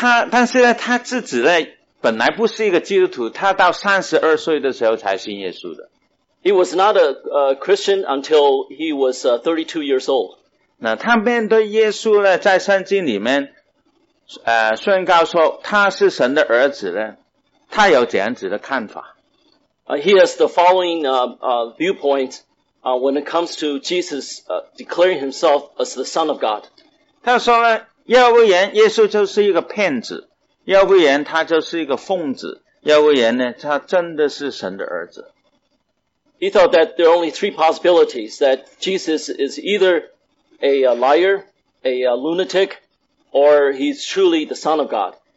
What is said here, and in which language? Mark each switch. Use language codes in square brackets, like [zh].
[zh] 但是呢，他自己呢，本来不是一个基督徒，他到32岁的时候才信耶稣的。 [en] He was not a Christian until he was 32 years old. [zh] 那他面对耶稣呢，在圣经里面宣告说他是神的儿子呢，他有怎样子的看法？ [en] He has the following viewpoint when it comes to Jesus declaring himself as the Son of God. [zh] 他说呢，要不然耶稣就是一个骗子，要不然他就是一个疯子，要不然呢，他真的是神的儿子。 [en] He thought that there are only three possibilities, that Jesus is either a liar, a lunatic, or he's truly the Son of God.